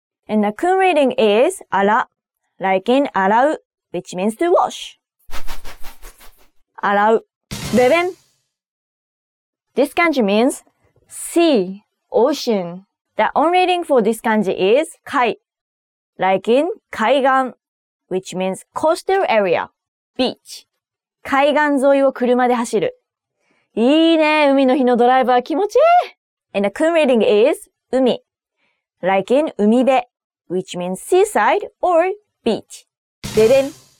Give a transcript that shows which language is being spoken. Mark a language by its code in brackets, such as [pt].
[en] And the kun reading is ara, like in arau, which means to wash. Arau. Bebin. This kanji means sea, ocean. The on reading for this kanji is kai, like in kaigan, which means coastal area, beach. [ja] 海岸沿いを車で走る。いいね、海の日のドライバー気持ちいい。 [en] And the kun reading is 海, like in 海辺, which means seaside or beach. Dedin.